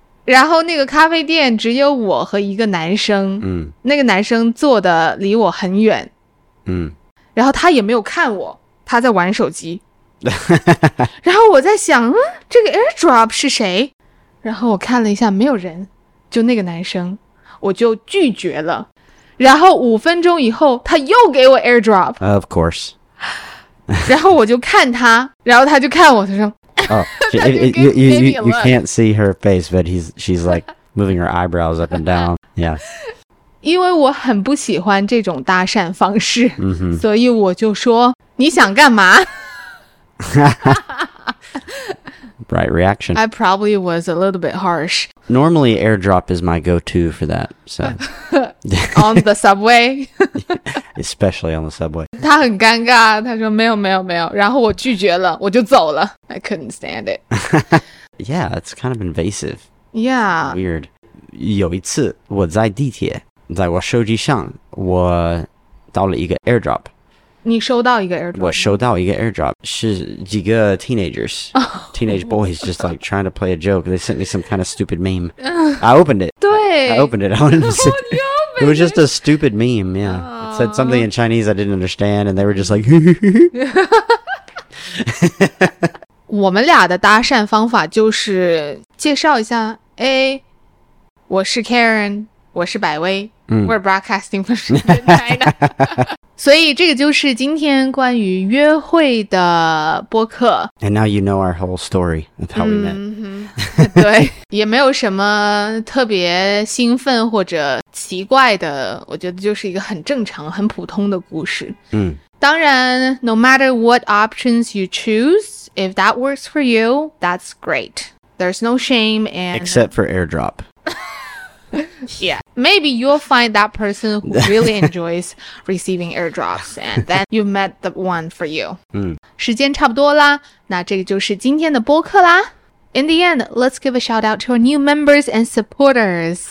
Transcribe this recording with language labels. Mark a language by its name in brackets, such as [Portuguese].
[Chinese] 然后那个咖啡店只有我和一个男生，那个男生坐的离我很远，然后他也没有看我，他在玩手机然后我在想，这个 airdrop 是谁，然后我看了一下没有人，就那个男生，我就拒绝了。然后五分钟以后他又给我 airdrop。 [English] Of course。 [Chinese] 然后我就看他，然后他就看我，他说 [English] you can't see her face, but she's like moving her eyebrows up and down. Yeah. [Chinese] 因为我很不喜欢这种搭讪方式，所以我就说你想干嘛？ [English] Right reaction. I probably was a little bit harsh. Normally, airdrop is my go-to for that. So on the subway, especially on the subway. [Chinese] 他很尴尬，他说没有没有没有，然后我拒绝了，我就走了。 [English] I couldn't stand it. Yeah, it's kind of invasive. Yeah. Weird. [Chinese] 有一次我在地铁，在我手机上，我到了一个 airdrop。你收到一个 airdrop？我收到一个 [English] airdrop， [Chinese] 是几个 [English] teenagers，teenage boys just like trying to play a joke. They sent me some kind of stupid meme. I opened it. [Chinese] 对 [English] ，I opened it. I wanted to see. It was just a stupid meme. Yeah, it said something in Chinese I didn't understand, and they were just like. [Chinese] 我们俩的搭讪方法就是介绍一下，哎，我是 Karen， 我是百威。 [English] We're broadcasting from China. [Chinese] 所以这个就是今天关于约会的播客。 [English] And now you know our whole story of how we met. [Chinese] 对，也没有什么特别兴奋或者奇怪的，我觉得就是一个很正常、很普通的故事。当然 [English] ，no matter what options you choose, if that works for you, that's great. There's no shame and except for airdrop. Yeah, maybe you'll find that person who really enjoys receiving airdrops, and then you've met the one for you. [Chinese] 时间差不多啦，那这个就是今天的播客啦。 [English] In the end, let's give a shout out to our new members and supporters.